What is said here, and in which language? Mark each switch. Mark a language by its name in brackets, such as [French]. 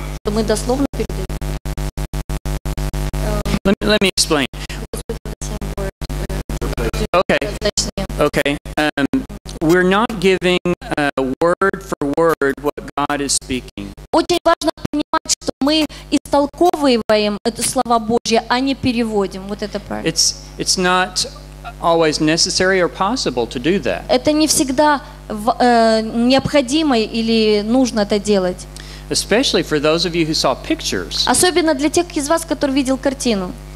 [Russian] мы дословно переведем. [English] Let me explain. Okay. Okay. We're not giving word for word what God is speaking. [Russian] Очень важно понимать, что мы истолковываем это слово Божье, а не переводим. Вот это правильно. [English] It's not always necessary or possible to do that. [Russian] Это не всегда необходимо или нужно это делать. [English] Especially for those of you who saw pictures. [Russian] Особенно для тех из вас, который видел картину.